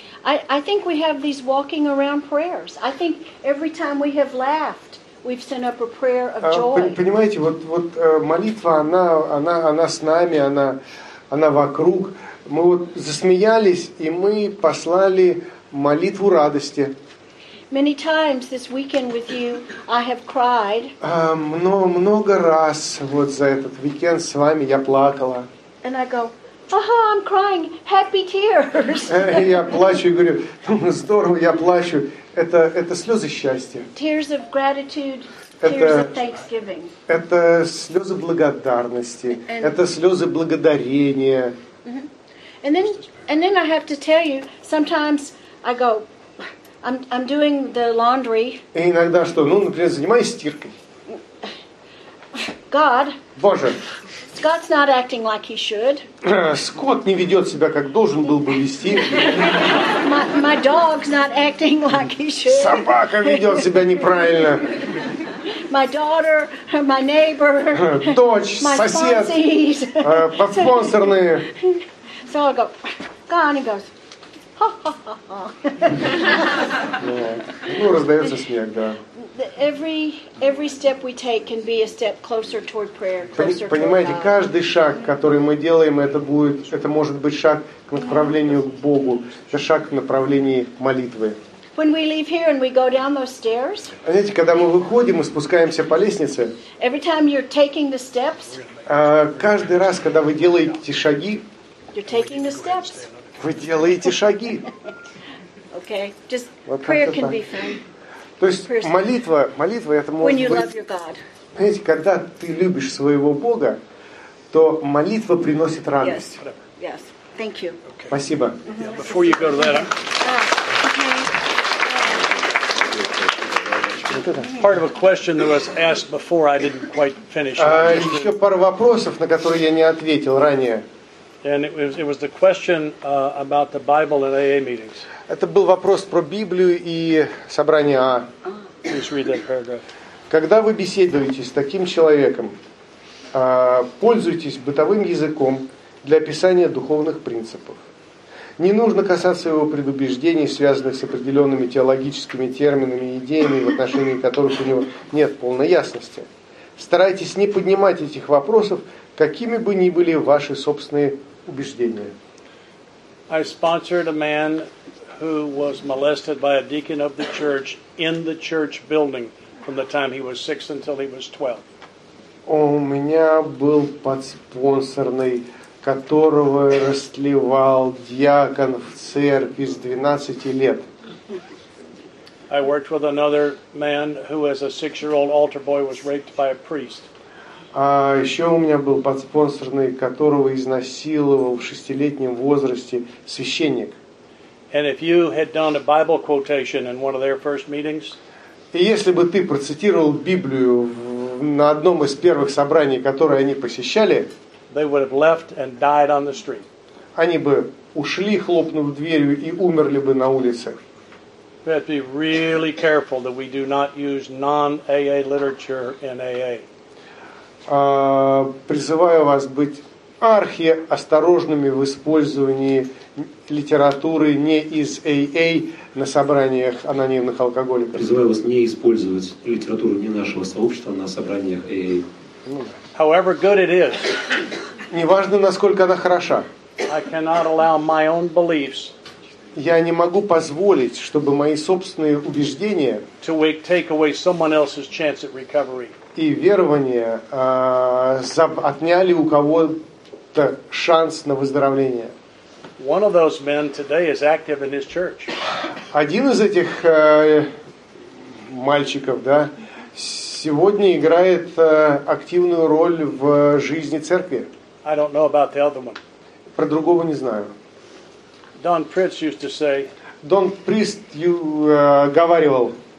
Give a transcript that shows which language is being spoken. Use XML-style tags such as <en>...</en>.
<en>I think we have these walking around prayers. I think every time we have laughed, we've sent up a prayer of joy.</en> <ru>Понимаете, вот молитва, она с нами, она вокруг. Мы вот засмеялись, и мы послали молитву радости.</ru> <en>Many times this weekend with you, I have cried.</en> <ru>Много раз вот за этот уикенд с вами я плакала.</ru> <en>And I go,</en> <ru>ага,</ru> <en>I'm crying, happy tears.</en> <ru>Я плачу и говорю, здорово, я плачу. Это слезы счастья.</ru> <en>Tears of gratitude, tears of thanksgiving.</en> <ru>Это слезы благодарности, это слезы благодарения.</ru> <en>And then I have to tell you, sometimes I go, I'm doing the laundry.</en> <ru>И иногда что, например, занимаюсь стиркой.</ru> <en>God.</en> <ru>Боже.</ru> <en>Scott's not acting like he should.</en> <ru>Скотт не ведет себя, как должен был бы вести.</ru> <en>My dog's not acting like he should.</en> <ru>Собака ведет себя неправильно.</ru> <en>My daughter, my neighbor.</en> <ru>Дочь,</ru> <en>my</en> <ru>сосед. Подспонсорные.</ru> <en>So I go, God, and he goes, ha-ha-ha-ha.</en> <ru>Ну, раздается смех, да.</ru> <en>Every step we take can be a step closer toward prayer, closer to God.</en> <ru>Понимаете, каждый шаг, который мы делаем, это может быть шаг к направлению к Богу, это шаг в направлении молитвы.</ru> <en>When we leave here and we go down those stairs.</en> <ru>Знаете, когда мы выходим и спускаемся по лестнице.</ru> <en>Every time you're taking the steps.</en> <ru>Каждый раз, когда вы делаете шаги.</ru> <en>You're taking the steps.</en> <ru>Вы делаете шаги.</ru> <en>Okay, just вот prayer can be fun.</en> <ru>То есть молитва это может быть. Понимаете, когда ты любишь своего Бога, то молитва приносит радость.</ru> <en>Yes. Thank you.</en> <ru>Okay. Спасибо.</ru> <en>Yeah, before you go to that, part of a question that was asked before I didn't quite finish.</en> <ru>Еще пару вопросов, на которые я не ответил ранее.</ru> <en>And it was the question about the Bible at AA meetings.</en> <ru>Это был вопрос про Библию и собрание А.</ru> <en>Please read that paragraph.</en> <ru>Когда вы беседуете с таким человеком, пользуйтесь бытовым языком для описания духовных принципов. Не нужно касаться его предубеждений, связанных с определенными теологическими терминами и идеями, в отношении которых у него нет полной ясности. Старайтесь не поднимать этих вопросов, какими бы ни были ваши собственные убеждения.</ru> <en>I sponsored a man who was molested by a deacon of the church in the church building from the time he was 6 until he was 12.</en> <ru>У меня был подспонсорный, которого растлевал диакон в церкви с 12 лет.</ru> <en>I worked with another man who as a 6-year-old altar boy was raped by a priest.</en> <ru>А еще у меня был подспонсорный, которого изнасиловал в 6-летнем возрасте священник.</ru> <en>And if you had done a Bible quotation in one of their first meetings,</en> <ru>и если бы ты процитировал Библию на одном из первых собраний, которые они посещали,</ru> <en>they would have left and died on the street.</en> <ru>Они бы ушли, хлопнув дверью, и умерли бы на улице.</ru> <en>We have to be really careful that we do not use non-AA literature in AA.</en> <ru>Призываю вас быть архи осторожными в использовании литературы не из AA на собраниях анонимных алкоголиков. Призываю вас не использовать литературу не нашего сообщества на собраниях AA.</ru> <en>However good it is.</en> <ru>Неважно, насколько она хороша.</ru> <en>I cannot allow my own beliefs.</en> <ru>Я не могу позволить, чтобы мои собственные убеждения</ru> <en>to take away someone else's chance at recovery.</en> <ru>и верование отняли у кого-то шанс на выздоровление.</ru> <en>One of those men today is active in his church.</en> <ru>Один из этих мальчиков, да, сегодня играет активную роль в жизни церкви.</ru> <en>I don't know about the other one.</en> <ru>Про другого не знаю.</ru> <en>Don Pritz used to say.</en> <ru>Don Priest говаривал.</ru>